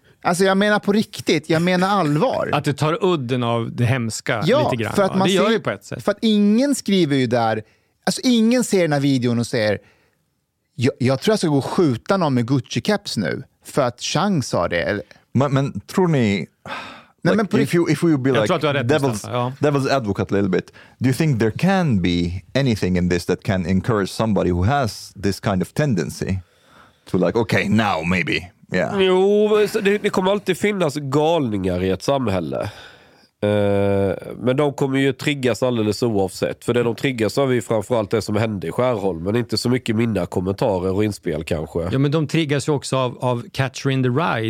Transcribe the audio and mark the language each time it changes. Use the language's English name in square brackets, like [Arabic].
[Swedish] Alltså jag menar på riktigt, jag menar allvar. Att du tar udden av det hemska, ja, lite grann. För att man, ja, det gör ju på ett sätt. För att ingen skriver ju där, alltså ingen ser den här videon och säger, jag tror jag ska gå och skjuta någon med Gucci-caps nu, för att Chang sa det. Men tror ni, nej, [English] like, men devil's advocate a little bit, do you think there can be anything in this that can encourage somebody who has this kind of tendency to like, okay, now maybe. Yeah. [Swedish] Jo, det kommer alltid finnas galningar i ett samhälle. Men de kommer ju triggas alldeles oavsett. För det de triggas av är ju framförallt det som hände i Skärholm. Men inte så mycket mina kommentarer och inspel kanske. Ja, men de triggas ju också av Catcher in the Rye.